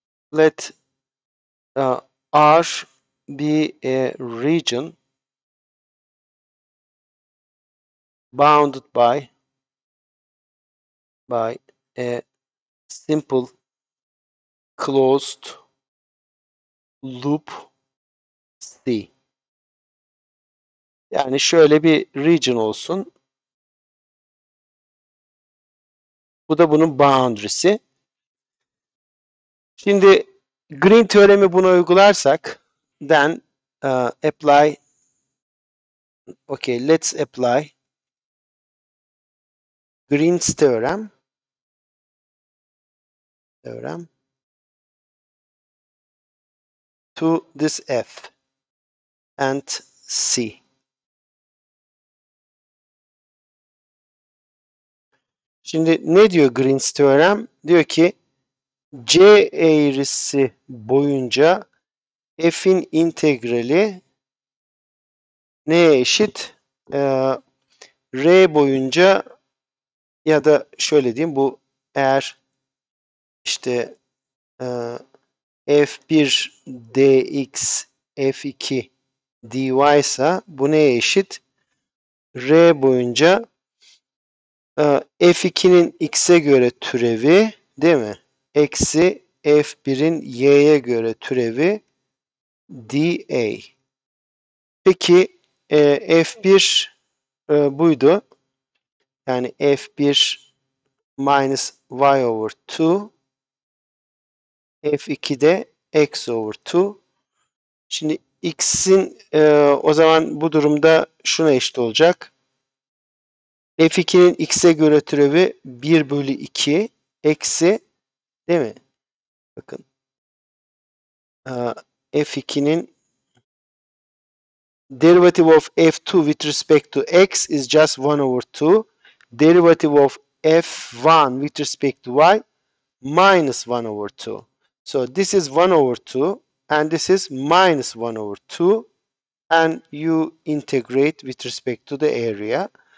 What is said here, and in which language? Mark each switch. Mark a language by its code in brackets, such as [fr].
[en] Let R be a region bounded by a simple closed loop C. [tr] Yani şöyle bir region olsun. Bu da bunun boundary'si. Şimdi Green teoremi bunu uygularsak, [en] then apply. Okay, let's apply Green's theorem to this F and C. [tr] Şimdi ne diyor Green's teorem? Diyor ki C eğrisi boyunca f'in integrali neye eşit? R boyunca ya da şöyle diyeyim, bu eğer işte f1 dx f2 dy ise bu neye eşit? R boyunca f2'nin x'e göre türevi, değil mi? Eksi f1'in y'ye göre türevi dA. Peki f1 buydu. Yani f1 [en] minus y over 2, [tr] f2 de [en] x over 2. [tr] Şimdi x'in o zaman bu durumda şuna eşit olacak. F2'nin x'e göre türevi 1 bölü 2 eksi, değil mi? Bakın. F2'nin [en] derivative of f2 with respect to x is just 1 over 2. Derivative of f1 with respect to y minus 1 over 2. So this is 1 over 2 and this is minus 1 over 2 and you integrate with respect to the area.